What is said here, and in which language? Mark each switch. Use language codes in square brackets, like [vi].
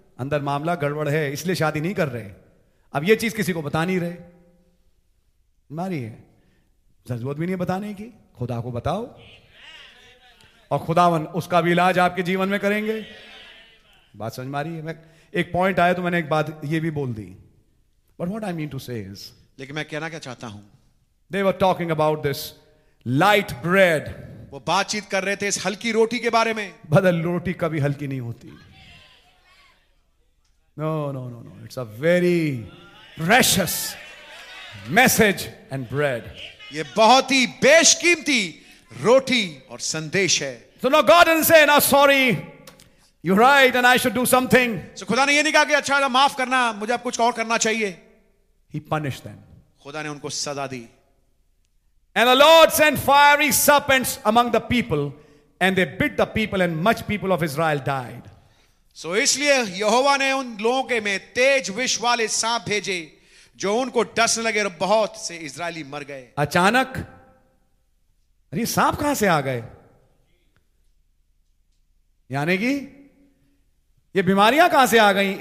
[hi] अंदर मामला गड़बड़ है, इसलिए शादी नहीं कर रहे। अब ये चीज किसी को बता नहीं रहे, मारी है, जरूरत भी नहीं बताने की, खुदा को बताओ और खुदावन उसका भी इलाज आपके जीवन में करेंगे। बात समझ मारी है? मैं एक पॉइंट आया तो मैंने एक बात ये भी बोल दी, [en] but what I mean to say is, [hi] लेकिन मैं कहना क्या चाहता हूं, [en] they were talking about this light bread, [hi] वो बातचीत कर रहे थे इस हल्की रोटी के बारे में। बदल रोटी कभी हल्की नहीं होती, [en] No, it's a very precious message and bread. [hi] ये बहुत ही बेशकीमती रोटी और संदेश है। [en] So now God didn't say, now sorry, You're right, and I should do something. [hi] So खुदा ने ये नहीं कहा कि अच्छा माफ करना, मुझे अब कुछ और करना चाहिए. [en] He punished them. [hi] खुदा ने उनको सजा दी. [en] And the Lord sent fiery serpents among the people, and they bit the people, and much people of Israel died. [hi] So इसलिए यहोवा ने उन लोगों के में तेज विष वाले सांप भेजे, जो उनको डसने लगे और बहुत से इजरायली मर गए. अचानक, अरे सांप कहां से आ गए? यानी कि ये बीमारियां कहां से आ गई?